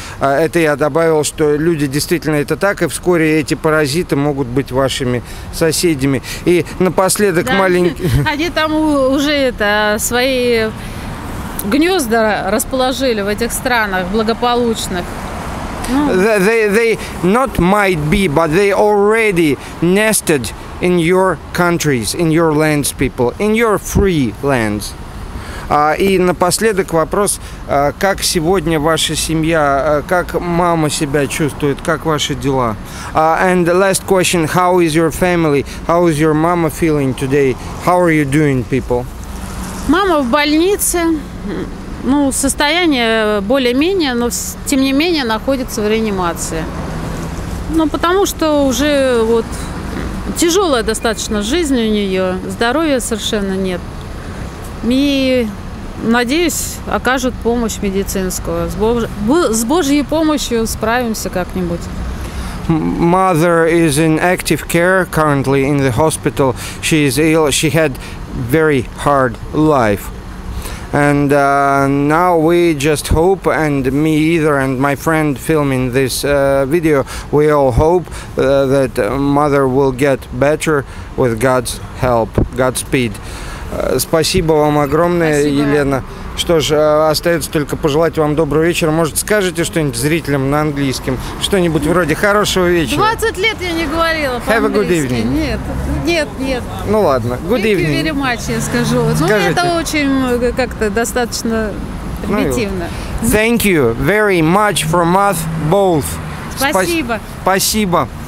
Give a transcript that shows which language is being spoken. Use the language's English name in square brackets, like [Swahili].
[Russian] Это я добавил, что люди действительно это так, и вскоре эти паразиты могут быть вашими соседями. И напоследок да, маленький... Они там уже это свои гнезда расположили в этих странах благополучных. [English] They not might be, but they already nested in your countries, in your lands, people, in your free lands. [Russian] И напоследок вопрос, как сегодня ваша семья, как мама себя чувствует, как ваши дела? [English] And the last question, how is your family, how is your mama feeling today, how are you doing, people? [Russian] Мама в больнице, ну, состояние более-менее, но тем не менее находится в реанимации. Ну, потому что уже вот тяжелая достаточно жизнь у нее, здоровья совершенно нет. И... Надеюсь, окажут помощь медицинскую. С Божьей помощью справимся как-нибудь. [English] Mother is in active care currently in the hospital. She is ill. She had very hard life. And now we just hope, and me either, and my friend filming this video, we all hope that mother will get better with God's help. Godspeed. [Russian] Спасибо вам огромное, спасибо. Елена. Что ж, остается только пожелать вам доброго вечера. Может, скажете что-нибудь зрителям на английском? Что-нибудь вроде хорошего вечера. 20 лет я не говорила по-английски. [English] Have a good evening. [Russian] Нет. Ну ладно, [English] good Thank evening. Thank you very much, [Russian] я скажу. Скажите. Ну, это очень как-то достаточно примитивно. [English] Ну, thank you very much from us both. [Russian] Спасибо. Спасибо.